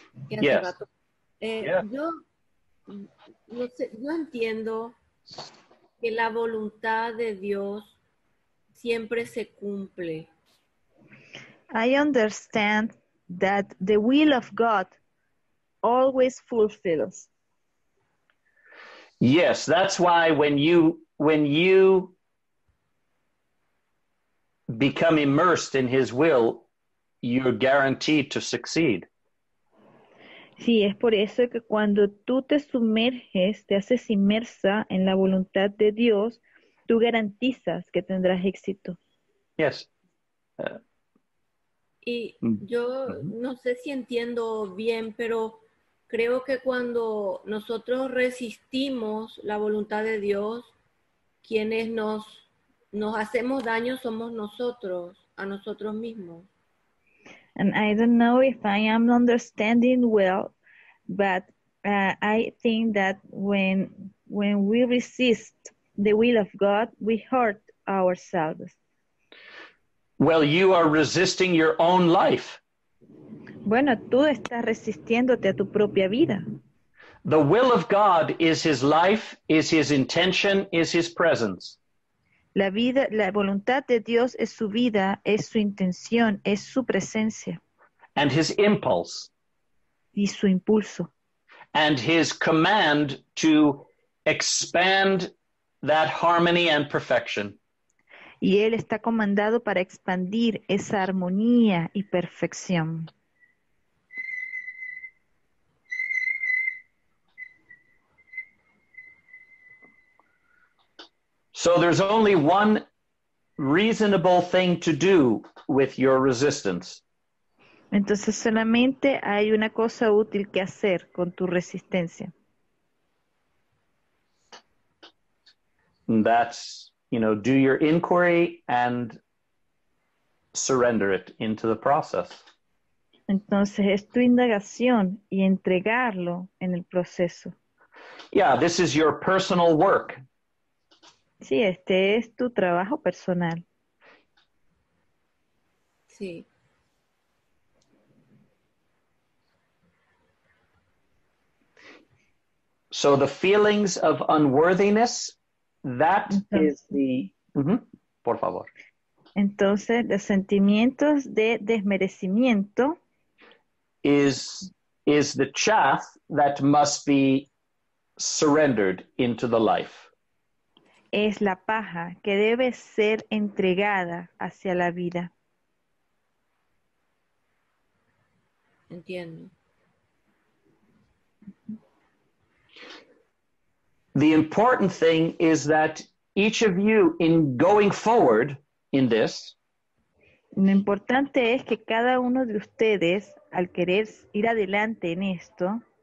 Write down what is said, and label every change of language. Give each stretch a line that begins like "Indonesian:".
Spanish: Yo entiendo que la voluntad de Dios siempre se cumple.
English: I understand that the will of God always fulfills. Yes, that's why when you become immersed in his will, you're guaranteed to succeed.
Spanish: Sí, es por eso que cuando tú te sumerges, te haces inmersa en la voluntad de Dios, tú garantizas que tendrás éxito.
English: Yes.
Spanish: No sé si entiendo bien, pero creo que cuando nosotros resistimos la voluntad de Dios, quienes nos hacemos daño somos nosotros, a nosotros mismos.
English: And I don't know if I am understanding well, but I think that when we resist the will of God, we hurt ourselves. Well, you are resisting your own life.
Spanish: Bueno, tú estás resistiéndote a tu propia vida.
English: The will of God is his life, is his intention, is his presence.
Spanish: La voluntad de Dios es su vida, es su intención, es su presencia.
English: And his impulse.
Spanish: Y su impulso.
English: And his command to expand that harmony and perfection.
Spanish: Y él está comandado para expandir esa armonía y perfección.
English: So there's only one reasonable thing to do with your resistance.
Spanish: Entonces solamente hay una cosa útil que hacer con tu resistencia.
English: That's, do your inquiry and surrender it into the process.
Spanish: Entonces es tu indagación y entregarlo en el proceso.
English: Yeah, this is your personal work.
Spanish: Sí, este es tu trabajo personal. Sí.
English: So the feelings of unworthiness, that is the...
Spanish: Por favor. Entonces, los sentimientos de desmerecimiento...
English: Is the chaff that must be surrendered into the life.
Spanish: Es la paja que debe ser entregada hacia la vida. Entiendo.
English: The important thing is that each of you in going forward in this.
Spanish: Lo importante es que cada uno de ustedes al querer ir adelante en esto.